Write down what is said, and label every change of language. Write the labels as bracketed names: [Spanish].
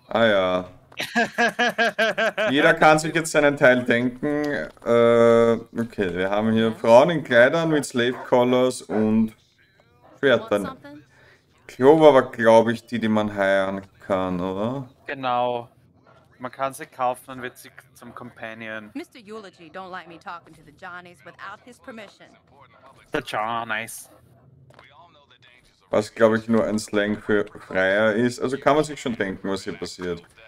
[German] Ah ja. Jeder kann sich jetzt seinen Teil denken. Okay, wir haben hier Frauen in Kleidern mit Slave Collars und Schwertern. Clover war, glaube ich, die man heiraten kann, oder? Genau. Man kann sie kaufen und wird sie zum Companion. [English] Mr. Eulogy, don't let me talk to the Johnnies without his permission. The Johnnies. [German] Was, glaube ich, nur ein Slang für Freier ist. Also kann man sich schon denken, was hier passiert.